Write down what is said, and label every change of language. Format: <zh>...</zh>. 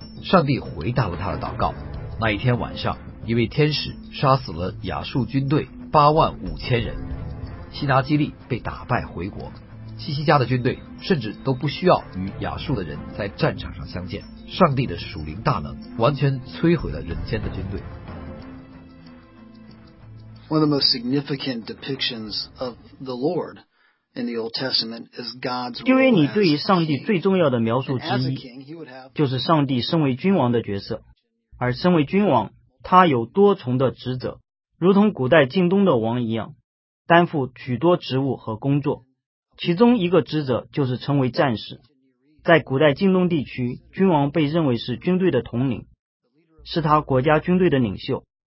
<zh>上帝回答了他的祷告。那一天晚上，一位天使杀死了亚述军队八万五千人，希拿基利被打败回国，西西家的军队甚至都不需要与亚述的人在战场上相见，上帝的属灵大能完全摧毁了人间的军队。</zh> <en>One of the most significant depictions of the Lord in the Old Testament is God's role as king.</en> <zh>旧约里对于上帝最重要的描述之一，就是上帝身为君王的角色。而身为君王，他有多重的职责，如同古代近东的王一样，担负许多职务和工作。其中一个职责就是称为战士。在古代近东地区，君王被认为是军队的统领，是他国家军队的领袖。</zh>